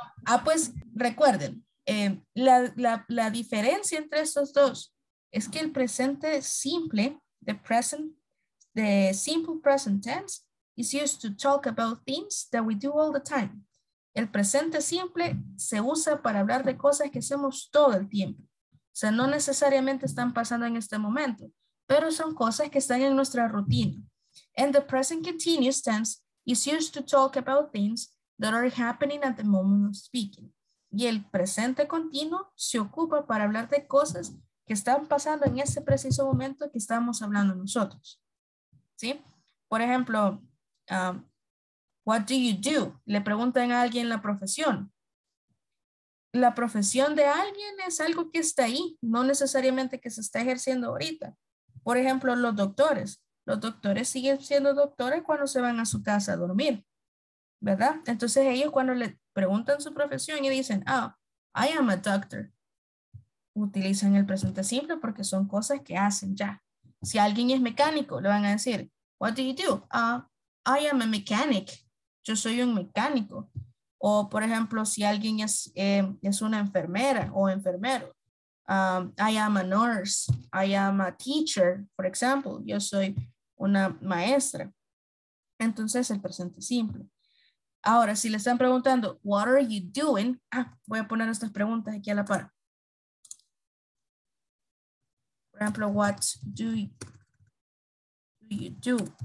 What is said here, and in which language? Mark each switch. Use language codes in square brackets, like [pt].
[es] Ah, pues recuerden, la diferencia entre estos dos es que el presente simple, [en] the simple present tense, is used to talk about things that we do all the time. [es] El presente simple se usa para hablar de cosas que hacemos todo el tiempo. O sea, no necesariamente están pasando en este momento, pero son cosas que están en nuestra rutina. [en] And the present continuous tense is used to talk about things that are happening at the moment of speaking. [es] Y el presente continuo se ocupa para hablar de cosas que están pasando en ese preciso momento que estamos hablando nosotros, ¿sí? Por ejemplo, [en] what do you do? [es] Le preguntan a alguien la profesión. La profesión de alguien es algo que está ahí, no necesariamente que se está ejerciendo ahorita. Por ejemplo, los doctores. Los doctores siguen siendo doctores cuando se van a su casa a dormir, ¿verdad? Entonces ellos cuando le preguntan su profesión y dicen, oh, [en] I am a doctor, [es] utilizan el presente simple porque son cosas que hacen ya. Si alguien es mecánico, le van a decir, [en] what do you do? I am a mechanic. [es] Yo soy un mecánico. O, por ejemplo, si alguien es una enfermera o enfermero. [en] I am a nurse. I am a teacher, for example. [es] Yo soy una maestra. Entonces, el presente simple. Ahora, si le están preguntando, [en] what are you doing? [es] Voy a poner estas preguntas aquí a la par. Por ejemplo, [en] what do you do?